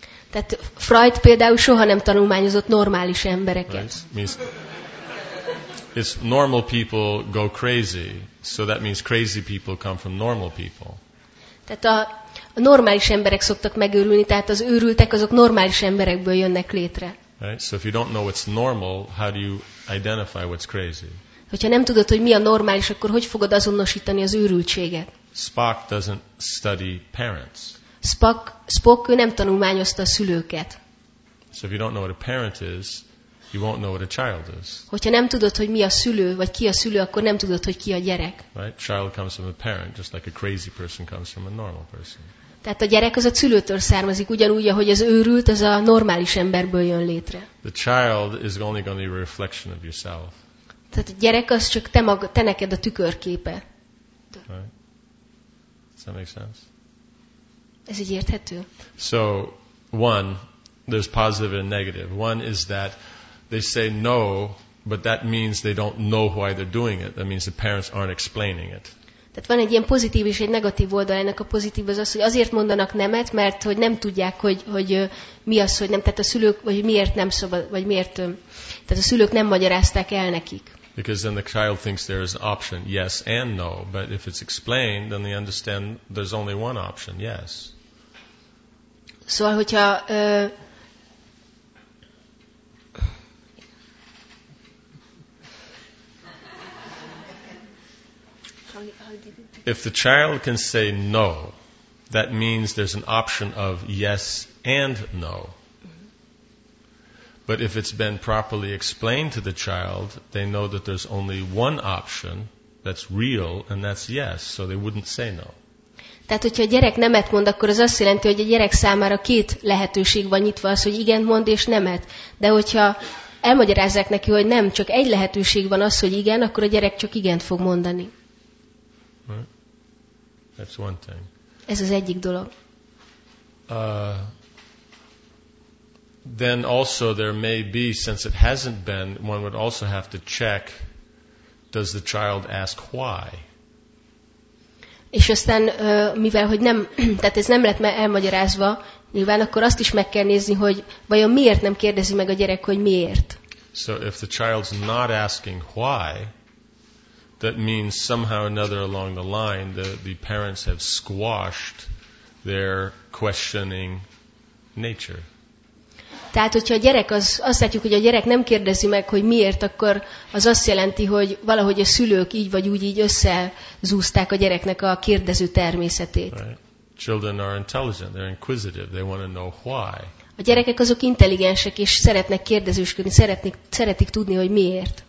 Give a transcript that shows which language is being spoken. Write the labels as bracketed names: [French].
[Hungarian] Tehát Freud például soha nem tanulmányozott normális embereket. [English] Right? It's normal people go crazy, so that means crazy people come from normal people. [Hungarian] Tehát a normális emberek szoktak megőrülni, tehát az őrültek azok normális emberekből jönnek létre. [English] Right? So if you don't know what's normal, how do you identify what's crazy? [Hungarian] Hogyha nem tudod, hogy mi a normális, akkor hogy fogod azonosítani az őrültséget? [English] Spock doesn't study parents. [Hungarian] Spock nem tanulmányozta a szülőket. [English] So if you don't know what a parent is, you won't know what a child is. [Hungarian] Hogyha nem tudod, hogy mi a szülő, vagy ki a szülő, akkor nem tudod, hogy ki a gyerek. [English] Right? Child comes from a parent, just like a crazy person comes from a normal person. [Hungarian] Tehát a gyerek az a szülőtől származik, ugyanúgy, ahogy az őrült, az a normális emberből jön létre. [English] The child is only going to be a reflection of yourself. [Hungarian] Tehát a gyerek az csak te, maga, te neked a tükörképe. [English] Right? Does that make sense? [Hungarian] Ez így érthető? [English] So, one, there's positive and negative. One is that they say no, but that means they don't know why they're doing it. That means the parents aren't explaining it. [Hungarian] Tehát van egy ilyen pozitív és egy negatív oldal. Ennek a pozitív az az, hogy azért mondanak nemet, mert hogy nem tudják, hogy mi az, hogy nem. Tehát a szülők, vagy miért nem szabad, vagy miért. Tehát a szülők nem magyarázták el nekik. [English] Because then the child thinks there is an option, yes and no. But if it's explained, then they understand there's only one option, yes. [Hungarian] Szóval, hogyha... [English] If the child can say no, that means there's an option of yes and no. But if it's been properly explained to the child, they know that there's only one option that's real, and that's yes, so they wouldn't say no. [Hungarian] Tehát, hogyha a gyerek nemet mond, akkor az azt jelenti, hogy a gyerek számára két lehetőség van nyitva, az, hogy igen mond és nemet. De hogyha elmagyarázzák neki, hogy nem, csak egy lehetőség van az, hogy igen, akkor a gyerek csak igent fog mondani. [English] That's one thing. [Hungarian] Ez az egyik dolog. [English] Then also there may be, since it hasn't been, one would also have to check, does the child ask why? [Hungarian] És aztán, mivel hogy nem, tehát ez nem lett elmagyarázva, nyilván akkor azt is meg kell nézni, hogy vajon miért nem kérdezi meg a gyerek, hogy miért? [English] So if the child's not asking why, that means somehow or another along the line the parents have squashed their questioning nature. [Hungarian] Tehát hogyha a gyerek azt látjuk, hogy a gyerek nem kérdezi meg, hogy miért, akkor az azt jelenti, hogy valahogy a szülők így vagy úgy így összezúzták a gyereknek a kérdező természetét. [English] Right. Children are intelligent, they're inquisitive, they want to know why. [Hungarian] A gyerekek azok intelligensek és szeretnek kérdezősködni, szeretik tudni, hogy miért.